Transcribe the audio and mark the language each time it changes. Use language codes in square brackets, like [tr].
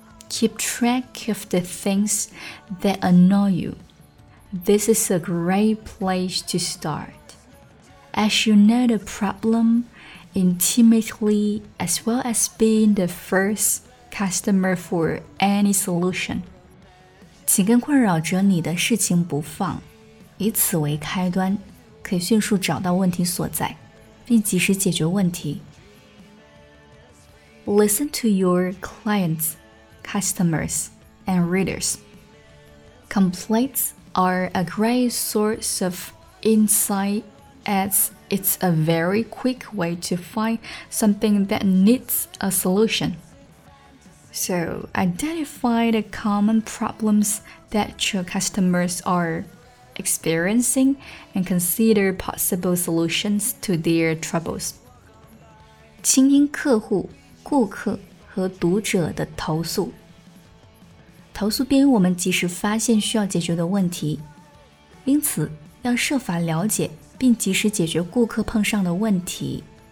[en] Keep track of the things that annoy you. This is a great place to start. As you know the problem intimately, as well as being the first customer for any solution. [zh] 紧跟困扰着你的事情不放，以此为开端，可以迅速找到问题所在，并及时解决问题。 [en] Listen to your clients, customers, and readers. Complaints are a great source of insight as it's a very quick way to find something that needs a solution. So, identify the common problems that your customers are experiencing and consider possible solutions to their troubles. [zh] 倾听客户、顾客和读者的投诉。投诉便于我们及时发现需要解决的问题，因此要设法了解并及时解决顾客碰上的问题。